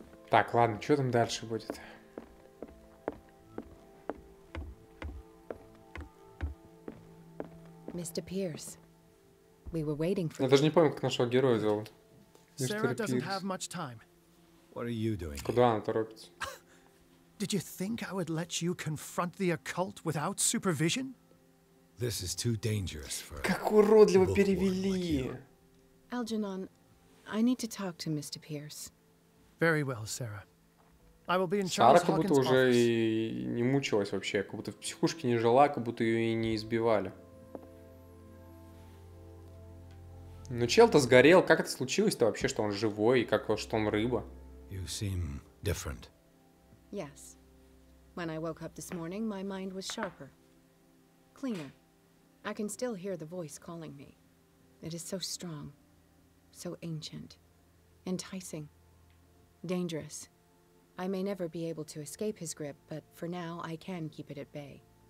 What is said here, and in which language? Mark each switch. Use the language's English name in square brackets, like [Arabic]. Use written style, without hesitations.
[Russian] Так, ладно, что там дальше будет? [English] Мистер Пирс, we were waiting for. [Russian] Я даже не помню, как нашего героя зовут. Мистер Пирс. Куда она торопится? [English] Did you think I would let you confront the occult without supervision? This is too dangerous for. [Russian] Как уродливо перевели. [English] Algernon, I need to talk to Mr. Pierce. Very well, Sarah. I will be in Charles Hawkins' office. [Russian] Сара как будто уже и не мучилась вообще, как будто в психушке не жила, как будто ее и не избивали. Но чел-то сгорел. Как это случилось-то вообще, что он живой и как, что он рыба? [English] You seem different. Yes. When I woke up this morning, my mind was sharper, cleaner. I can still hear the voice calling me. It is so strong, so ancient, enticing. Dangerous. I may never be able to escape his grip, but for now I can keep it at bay.